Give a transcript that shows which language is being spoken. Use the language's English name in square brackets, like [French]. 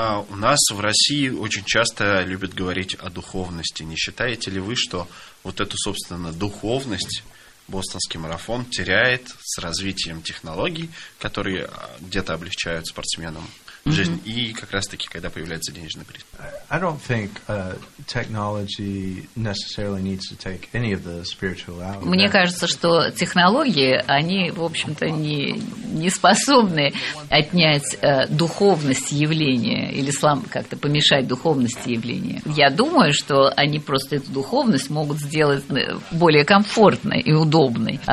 [Russian] У нас в России очень часто любят говорить о духовности. Не считаете ли вы, что вот эту, собственно, духовность бостонский марафон теряет с развитием технологий, которые где-то облегчают спортсменам в жизнь. И как раз-таки, когда появляется денежный приз. [English] I don't think technology necessarily needs to take any of the spiritual out. [Russian] Мне кажется, что технологии, они, в общем-то, не способны отнять духовность явления или как-то помешать духовности явления. Я думаю, что они просто эту духовность могут сделать более комфортной и удобной.